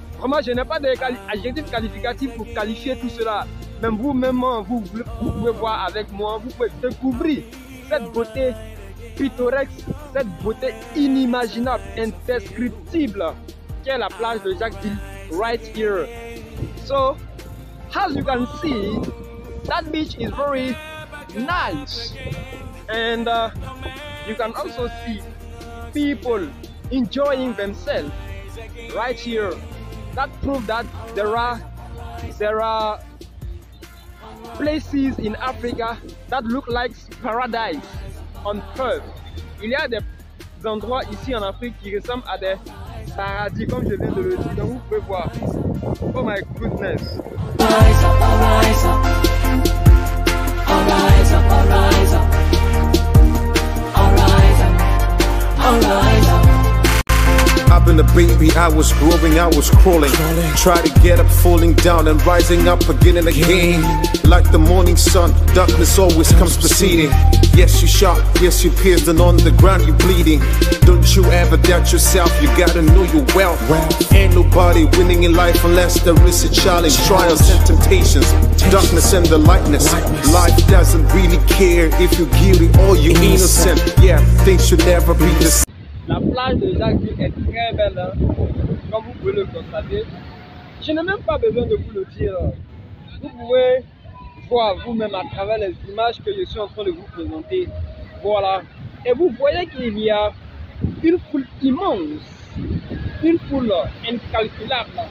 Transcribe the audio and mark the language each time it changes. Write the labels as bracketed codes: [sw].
[fr] Vraiment, je n'ai pas d'adjectif qualificatif pour qualifier tout cela. Même vous-même, vous pouvez voir avec moi, vous pouvez découvrir cette beauté pittoresque, cette beauté inimaginable, indescriptible, qu'est la plage de Jacqueville, [en] right here. So, as you can see, that beach is very nice. And you can also see people enjoying themselves right here. That proves that there are places in Africa that look like paradise on earth. [fr] Il y a des endroits ici en Afrique qui ressemblent à des paradis, comme je viens de le dire, donc vous pouvez voir. [en] Oh my goodness. Arise up, arise up. Arise up, arise up. Arise up, arise up. I've been a baby, I was growing, I was crawling. Try to get up, falling down and rising up again and again. Like the morning sun, darkness always comes proceeding. Yes, you shot, yes, you pierced, and on the ground you bleeding. Don't you ever doubt yourself, you gotta know your wealth. Ain't nobody winning in life unless there is a challenge. Trials and temptations, darkness and the lightness. Life doesn't really care if you're guilty or you're innocent. Yeah, things should never be the same. [fr] La plage de Jacqueville est très belle, hein, comme vous pouvez le constater. Je n'ai même pas besoin de vous le dire. Vous pouvez voir vous-même à travers les images que je suis en train de vous présenter. Voilà. Et vous voyez qu'il y a une foule immense, une foule incalculable.